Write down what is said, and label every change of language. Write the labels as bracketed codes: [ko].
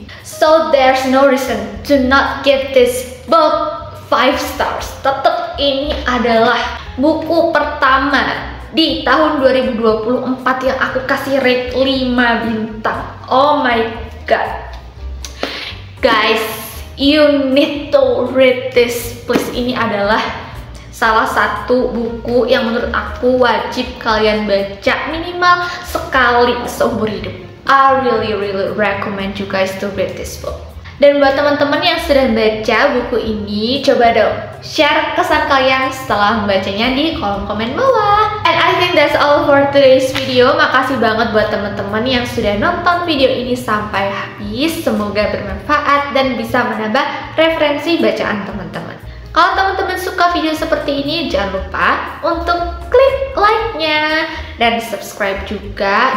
[en] So there's no reason to not get this book 5 stars. [id] Tetap ini adalah buku pertama di tahun 2024 yang aku kasih rate 5 bintang. [en] Oh my god. Guys, you need to read this. Please, [id] ini adalah salah satu buku yang menurut aku wajib kalian baca minimal sekali seumur hidup. [en] I really really recommend you guys to read this book. [id] Dan buat teman-teman yang sedang baca buku ini, coba dong share kesan kalian setelah membacanya di kolom komen bawah. [en] And I think that's all for today's video. [id] Makasih banget buat teman-teman yang sudah nonton video ini sampai habis. Semoga bermanfaat dan bisa menambah referensi bacaan teman-teman. Kalau teman-teman suka video seperti ini, jangan lupa untuk klik like-nya dan subscribe juga.